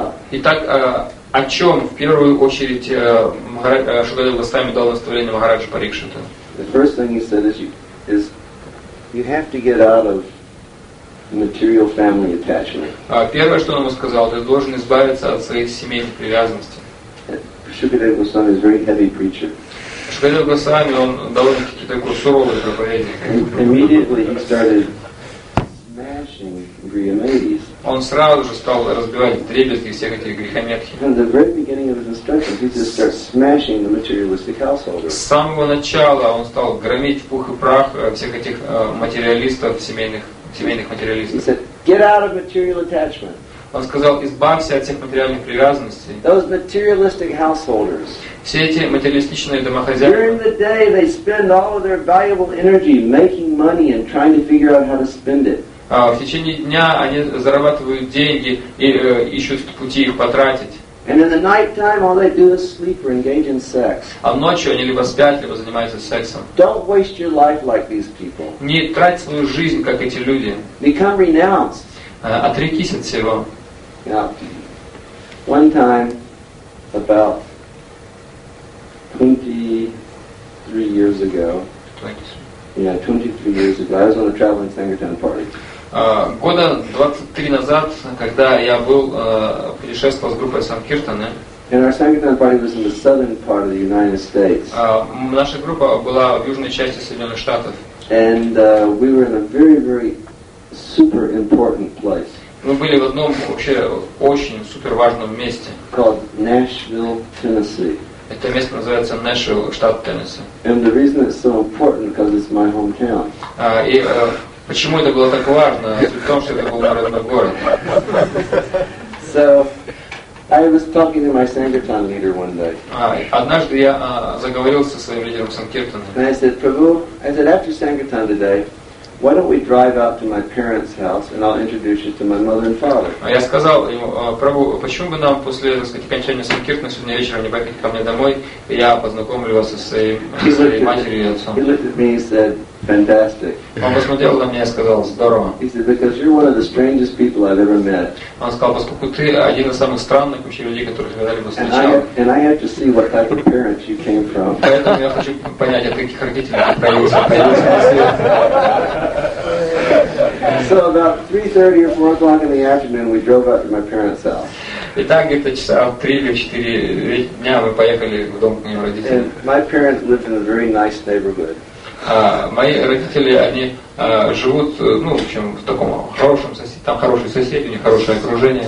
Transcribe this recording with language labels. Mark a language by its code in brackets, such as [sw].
[ru] Итак, о чем в первую очередь Шукадева Госвами дал наставление Махараджа Парикшита? [en] The first thing he said is you have to get out of material family attachment. [ru] Первое, что он ему сказал, ты должен избавиться от своих семейных привязанностей. [en] Шукадева Госвами is a very heavy preacher. [ru] Шукадева Госвами, он довольно-таки такой суровый проповедник. [en] Immediately he started smashing Grihamedhis. [ru] Он сразу же стал разбивать дребезги всех этих грехометхи. [en] From the very beginning of his instruction, he just started smashing the materialistic householder. [ru] С самого начала он стал громить в пух и прах всех этих материалистов семейных материалистов. [en] He said, get out of material attachment. [ru] Он сказал, избавься от всех материальных привязанностей. [en] Those materialistic householders. [ru] Все эти материалистичные домохозяева. [en] During the day they spend all of their valuable energy making money and trying to figure out how to spend it. [ru] В течение дня они зарабатывают деньги и ищут пути их потратить. [en] And in the nighttime all they do is sleep or engage in sex. [ru] А ночью они либо спят, либо занимаются сексом. [en] Don't waste your life like these people. [ru] Не трать свою жизнь как эти люди. [en] Become renounced. [ru] Отрекись от всего. [en] Yeah. One time about 23 years ago. 23 years ago. I was on a traveling Sangirtan party. [ru] Года 23 назад, когда я был путешествовал с группой Санкиртаны. [en] And our Sangirtan party was in the southern part of the United States. [ru] Наша группа была в южной части Соединенных Штатов. [en] And we were in a very, very super important place. [ru] Мы были в одном вообще очень супер важном месте. [en] Called Nashville, Tennessee. [ru] Это место называется Нэшвилл, штат Теннесси. [en] And the reason it's so important because it's my hometown. [ru] Почему это было так важно? В том, что это был мой родной город. [en] So, I was talking to my Sankirtan leader one day. [ru] Однажды я заговорил со своим лидером Санкиртаны. [en] And I said, Prabhu, I said, after Sankirtan today, why don't we drive out to my parents' house and I'll introduce you to my mother and father? [ru] Я сказал ему, Прабу, почему бы нам после, так сказать, окончания Санкиртаны сегодня вечером не поехать ко мне домой, и я познакомлю вас со своей матерью и отцом? [en] He looked at me and said, fantastic. [ru] Он посмотрел на меня и сказал, здорово. [en] He said, because you're one of the strangest people I've ever met. [ru] Он сказал, поскольку ты один из самых странных вообще людей, которых я когда-либо встречал. [en] And I have to see what type of parents you came from. [ru] Поэтому я хочу понять, от каких родителей ты появился на свет. [en] So about 3:30 or 4:00 in the afternoon, we drove out to my parents' house. [ru] Итак, где-то часа в 3 или 4 дня мы поехали в дом к моим родителям. [en] And my parents lived in a very nice neighborhood. [ru] Мои родители, они живут, ну, в общем, в таком хорошем соседе, там хорошие соседи, у них хорошее окружение.